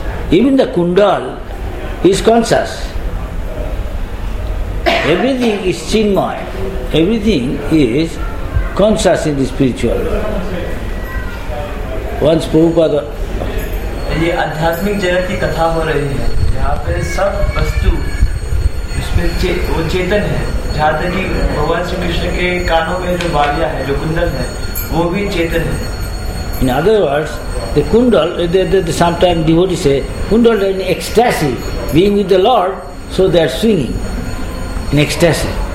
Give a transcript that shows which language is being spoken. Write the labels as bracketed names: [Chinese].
[English] Even the kundal is conscious. Everything is chinmay. Everything is conscious in the spiritual world. Once Prabhupada... [Hindi] ये आध्यात्मिक जगत की कथा हो रही है जहाँ पे सब वस्तु उसमें वो चेतन है जहाँ तक कि भगवान श्री कृष्ण के कानों में जो बालिया है जो कुंडल है वो भी चेतन है. [English] In other words, the kundal, the sometimes devotees say, kundal is in ecstasy, being with the Lord, so they are swinging in ecstasy.